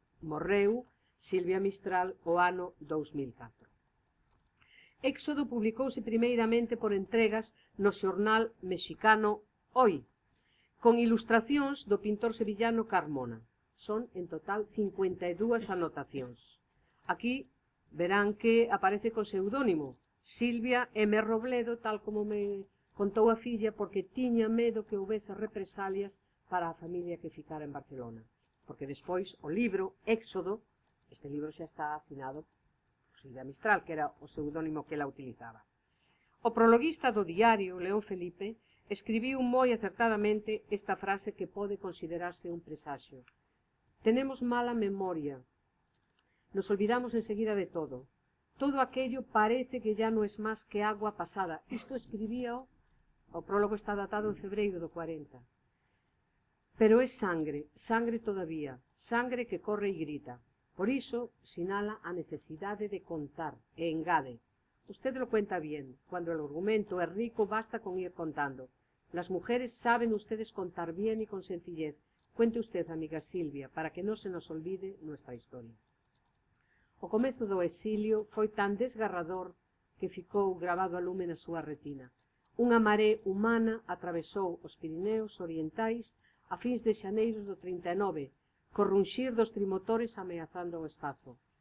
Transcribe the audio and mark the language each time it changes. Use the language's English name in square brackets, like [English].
[Galician] Morreu Silvia Mistral o ano 2004. Éxodo publicouse primeiramente por entregas no xornal mexicano Hoy, con ilustracións do pintor sevillano Carmona. Son en total 52 anotacións. Aquí verán que aparece con seudónimo Silvia M. Robledo, tal como me contou a filla, porque tiña medo que houvese represalias para a familia que ficara en Barcelona. Porque despois o libro Éxodo, este libro xa está asinado por Silvia Mistral, que era o seudónimo que ela utilizaba. O prologuista do diario, León Felipe, escribiu moi acertadamente esta frase que pode considerarse un presaxio. [Spanish] Tenemos mala memoria. Nos olvidamos enseguida de todo. Todo aquello parece que ya no es más que agua pasada. [Galician] Isto escribía o prólogo está datado en febreiro do 40. [Spanish] Pero é sangre, sangre todavía, sangre que corre e grita. [Galician] Por iso, sinala a necesidade de contar e engade. [Spanish] Usted lo cuenta bien, cuando el argumento es rico, basta con ir contando. Las mujeres saben ustedes contar bien y con sencillez. Cuente usted, amiga Silvia, para que no se nos olvide nuestra historia. [Galician] O comezo do exilio foi tan desgarrador que ficou grabado a lume na súa retina. Unha maré humana atravesou os Pirineos orientais a fins de xaneiros do 39, co runxir dos trimotores ameazando o espazo.